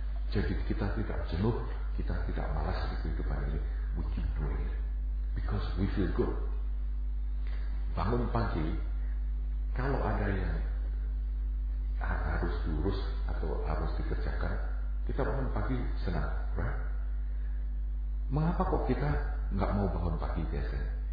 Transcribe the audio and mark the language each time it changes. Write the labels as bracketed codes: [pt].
[id] Jadi kita tidak jenuh, kita tidak malas di kehidupan ini. [en] We keep doing it because we feel good. [id] Bangun pagi, kalau ada yang harus diurus atau harus dikerjakan, kita bangun pagi senang, right? Mengapa kok kita gak mau bangun pagi biasanya?